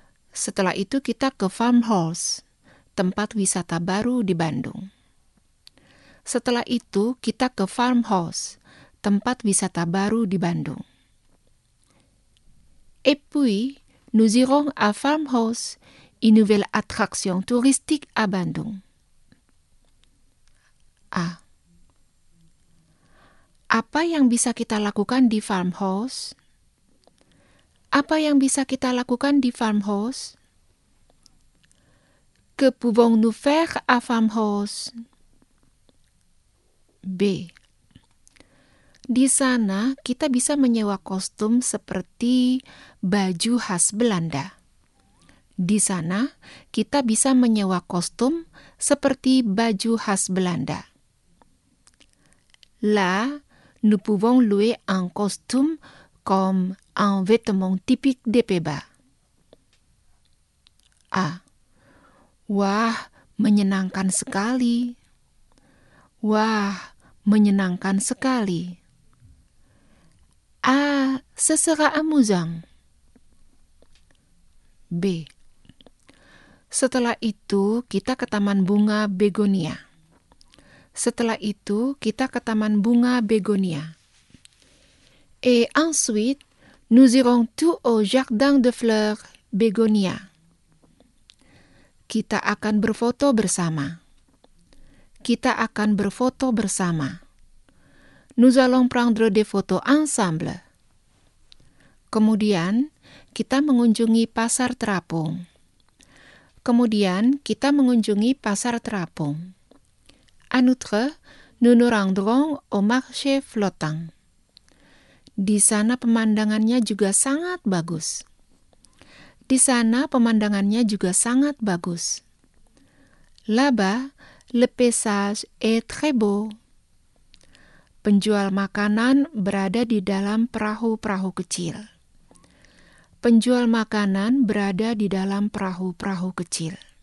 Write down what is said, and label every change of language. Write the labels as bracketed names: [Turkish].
[Indonesian] Setelah itu kita ke Farmhouse, tempat wisata baru di Bandung. Setelah itu kita ke Farmhouse, tempat wisata baru di Bandung. [French] Et puis, nous irons à Farmhouse, une nouvelle attraction touristique à Bandung. A. [Indonesian] Apa yang bisa kita lakukan di Farmhouse? Apa yang bisa kita lakukan di Farmhouse? [French] Que pouvons-nous faire à Farmhouse? [Indonesian] B. Di sana kita bisa menyewa kostum seperti baju khas Belanda. Di sana kita bisa menyewa kostum seperti baju khas Belanda. [French] Là, nous pouvons louer un costume comme un vêtement typique des Pays-Bas. A. [Indonesian] Wah, menyenangkan sekali. Wah, menyenangkan sekali. Ah, [French] Ce sera amusant. [Indonesian] B. Setelah itu, kita ke taman bunga begonia. Setelah itu, kita ke taman bunga begonia. [French] Et ensuite, nous irons tous au jardin de fleurs begonia. [Indonesian] Kita akan berfoto bersama. Kita akan berfoto bersama. [French] Nous allons prendre des photos ensemble. [Indonesian] Kemudian, kita mengunjungi pasar terapung. Kemudian, kita mengunjungi pasar terapung. [French] En outre, nous nous rendrons au marché flottant. [Indonesian] Di sana pemandangannya juga sangat bagus. Di sana pemandangannya juga sangat bagus. [French] Là-bas, le paysage est très beau. [Indonesian] Penjual makanan berada di dalam perahu-perahu kecil. Penjual makanan berada di dalam perahu-perahu kecil.